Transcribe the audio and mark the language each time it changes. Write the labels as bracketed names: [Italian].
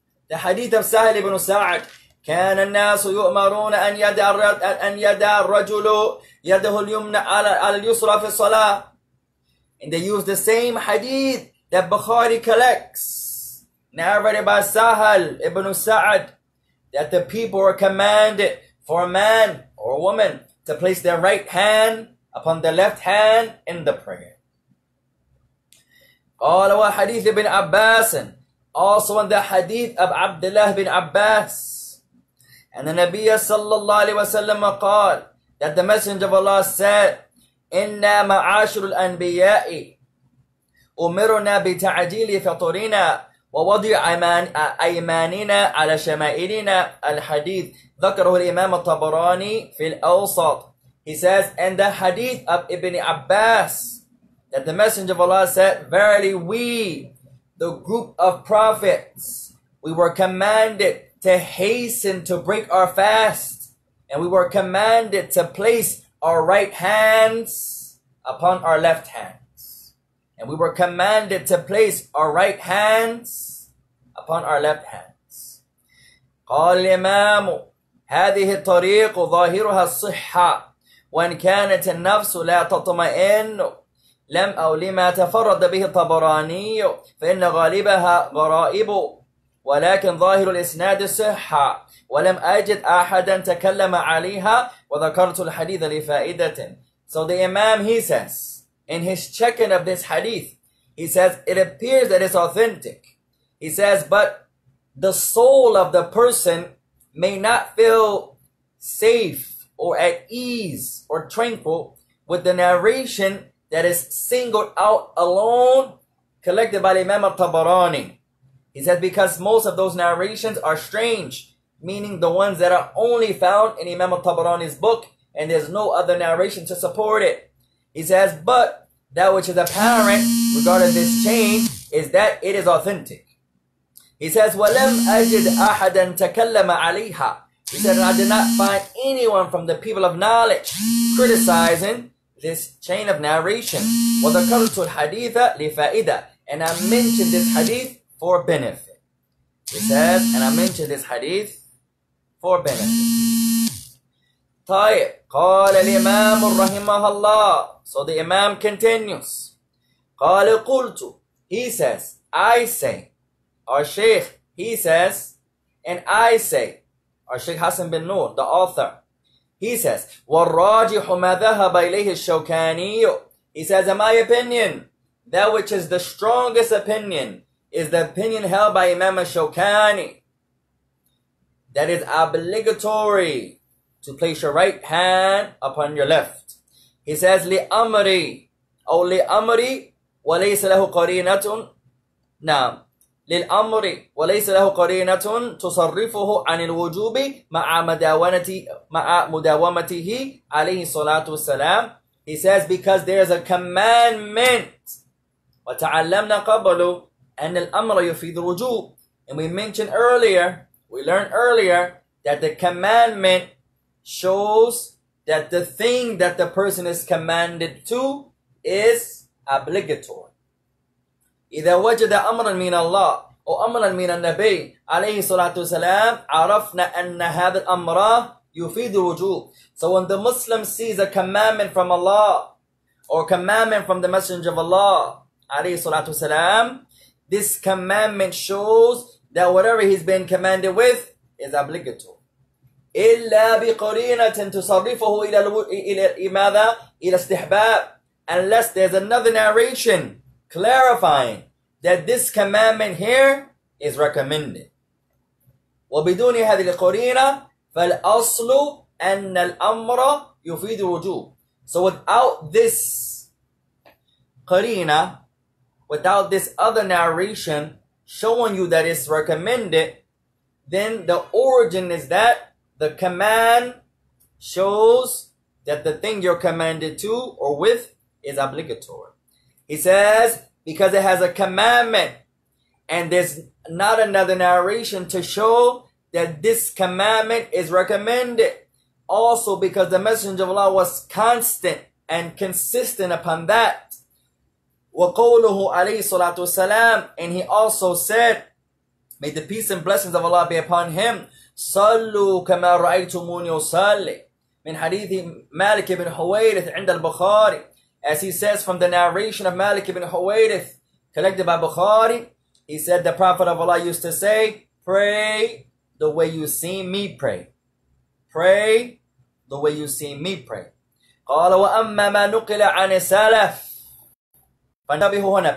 [English] The hadith of Sahil ibn Sa'ad, [Arabic] كان الناس يؤمرون أن يدع الرجل يده اليمنى على اليسرى في الصلاة. [English] And they use the same hadith that Bukhari collects, narrated by Sahil ibn Sa'ad, that the people were commanded for a man or a woman to place their right hand upon the left hand in the prayer. [Arabic] قال وحديث ابن عباس [English] Also in the hadith of Abdullah bin Abbas. And the Nabiya sallallahu alayhi wa sallam qaal that the Messenger of Allah said, [Arabic] إنا معاشر الأنبياء أمرنا بتعجيل فطورنا ووضع أيماننا على شمائلنا. الحديث ذكره الإمام الطبراني في الأوسط. [English] He says, and the hadith of Ibn Abbas, that the Messenger of Allah said, verily we, the group of prophets, we were commanded to hasten to break our fast, and we were commanded to place our right hands upon our left hands. And we were commanded to place our right hands upon our left hands. [Arabic] قال الإمام هذه الطريق ظاهرها الصحة وإن كانت النفس لا تطمئن لم أو لما تفرد به الطبراني فإن غالبها غرائب ولكن ظاهر الإسناد صحة ولم أجد أحدا تكلم عليها وذكرت الحديث لفائدة. [English] So the Imam, he says, in his checking of this hadith, he says, it appears that it's authentic. He says, but the soul of the person may not feel safe or at ease or tranquil with the narration that is singled out alone, collected by the Imam al-Tabarani. He says, because most of those narrations are strange, meaning the ones that are only found in Imam al-Tabarani's book, and there's no other narration to support it. He says, but that which is apparent regarding this chain is that it is authentic. He says, [Arabic] وَلَمْ أَجِدْ أَحَدًا تَكَلَّمَ عَلَيْهَا. [English] He says, I did not find anyone from the people of knowledge criticizing this chain of narration. [Arabic] وَذَكَرْتُ الْحَدِيثَ لِفَائِدَ. [English] And I mentioned this hadith for benefit. He says, and I mentioned this hadith for benefit. [Arabic] طيب, قال الإمام رحمه الله. [English] So the Imam continues. [Arabic] قال قلت. [English] He says, I say. Our Sheikh, he says, and I say, our Sheikh Hassan bin Noor, the author, he says, [Arabic] وَالرَّاجِحُ مَا ذَهَبَ إِلَيْهِ الشَّوْكَانِيُّ. [English] He says, in my opinion, that which is the strongest opinion is the opinion held by Imam al-Shawkani, that is obligatory to place your right hand upon your left. He says, [Arabic] لِأَمْرِي أَوْ لِأَمْرِي وَلَيْسَ لَهُ قَرِينَةٌ. [English] Now, [Arabic] للأمر وليس له قرينة تصرفه عن الوجوب مع مداومته عليه الصلاة والسلام. [English] He says, because there is a commandment. [Arabic] وتعلمنا قبل أن الأمر يفيد الوجوب. [English] And we mentioned earlier, we learned earlier, that the commandment shows that the thing that the person is commanded to is obligatory. [Arabic] إذا وجد أمرا من الله أو أمرا من النبي عليه الصلاة والسلام عرفنا أن هذا الأمر يفيد الوجوب. [English] So when the Muslim sees a commandment from Allah or a commandment from the Messenger of Allah [Arabic] عليه الصلاة والسلام, [English] this commandment shows that whatever he's been commanded with is obligatory. [Arabic] إلا بقرينة تصرفه إلى ماذا؟ إلى استحباب. [English] Unless there's another narration clarifying that this commandment here is recommended. [Arabic] وبدون هذه القرينة فالأصل أن الأمر يفيد الوجوب. [English] So without this قرينة, without this other narration showing you that it's recommended, then the origin is that the command shows that the thing you're commanded to or with is obligatory. He says, because it has a commandment and there's not another narration to show that this commandment is recommended. Also, because the Messenger of Allah was constant and consistent upon that. [Arabic] وَقَوْلُهُ عَلَيْهِ الصَّلَاةُ وَالسَّلَامُ. [English] And he also said, may the peace and blessings of Allah be upon him. [Arabic] صَلُّوا كَمَا رَأَيْتُمُونِ يُصَلِّي. من حديث مالك بن حويرث عند البخاري. [English] As he says from the narration of Malik ibn Huwaydith, collected by Bukhari, he said the Prophet of Allah used to say, pray the way you see me pray. Pray the way you see me pray. [Arabic] قَالَ وَأَمَّا مَا نُقِلَ عَنِ السَّلَفِ. فَنَبِهُ هُنَا.